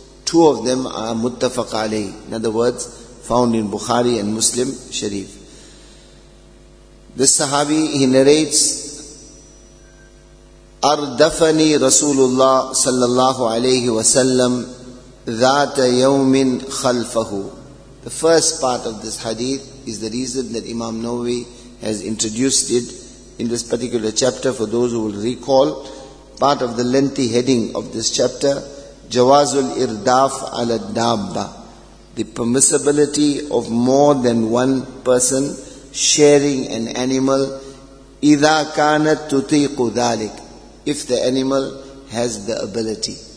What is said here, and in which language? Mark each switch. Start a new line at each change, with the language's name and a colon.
English: Two of them are muttafaq alayhi. In other words, found in Bukhari and Muslim Sharif. This sahabi, he narrates,
Arabic: أردفني رسول الله صلى الله عليه وسلم ذات يوم خلفه.
English: The first part of this hadith is the reason that Imam Nawawi has introduced it in this particular chapter. For those who will recall, part of the lengthy heading of this chapter,
Arabic: جواز الإرداف على الدابة,
English: the permissibility of more than one person sharing an animal,
Arabic: إذا كانت تطيق ذلك,
English: if the animal has the ability.